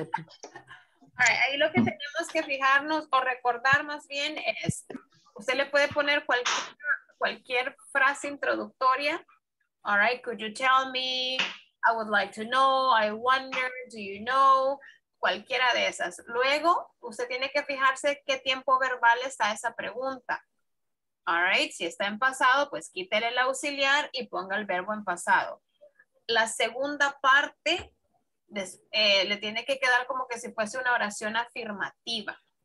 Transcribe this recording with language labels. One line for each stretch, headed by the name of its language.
Spanish: All right, ahí lo que tenemos que fijarnos o recordar más bien es, usted le puede poner cualquier frase introductoria.
English: All right, could you tell me, I would like to know, I wonder, do you know,
Spanish: cualquiera de esas. Luego, usted tiene que fijarse qué tiempo verbal está esa pregunta. All right, si está en pasado, pues quítele el auxiliar y ponga el verbo en pasado. La segunda parte le tiene que quedar como que si fuese una oración afirmativa.